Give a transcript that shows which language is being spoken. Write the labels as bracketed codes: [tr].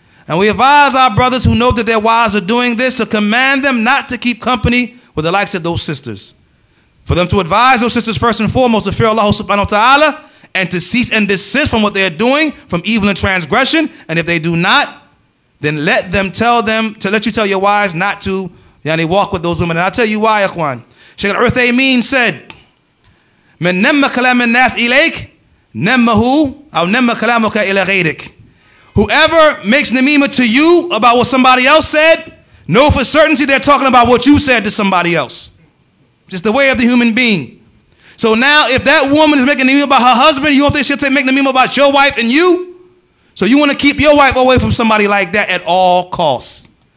[en] And we advise our brothers who know that their wives are doing this to command them not to keep company with the likes of those sisters. For them to advise those sisters first and foremost to fear Allah subhanahu wa ta'ala and to cease and desist from what they are doing, from evil and transgression. And if they do not, then let them tell them, to let you tell your wives not to yani walk with those women. And I'll tell you why, Ikhwan. Shaykh Al-Uthaymeen said, [ar] من نم كلام الناس إليك نمه أو نم كلامك إلى غيرك. [en] Whoever makes namima to you about what somebody else said, know for certainty they're talking about what you said to somebody else. Just the way of the human being. So now if that woman is making namima about her husband, you don't think she'll make namima about your wife and you? So you want to keep your wife away from somebody like that at all costs.